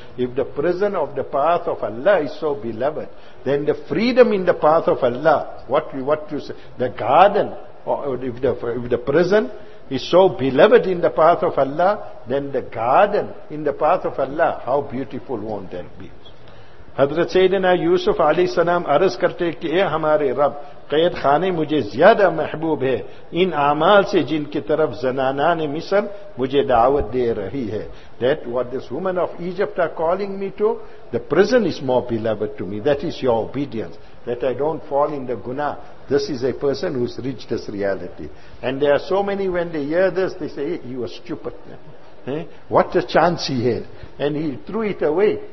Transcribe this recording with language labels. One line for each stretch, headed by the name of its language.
English: If the prison of the path of Allah is so beloved, then the freedom in the path of Allah, what you say? The garden, or if the prison is so beloved in the path of Allah, then the garden in the path of Allah, how beautiful won't that be?
Urdu: Hazrat Sayyidina Yusuf Alayhi Salam arz karte ki, eh hamare Rab, قید خانے مجھے زیادہ محبوب ہے ان اعمال سے جن کی طرف زنانان مصر مجھے دعوت دے رہی ہے.
English: That what this woman of Egypt are calling me to, the prison is more beloved to me. That is your obedience, that I don't fall in the guna. This is a person who's reached this reality. And there are so many, when they hear this, they say, hey, you are stupid. What a chance he had, and he threw it away.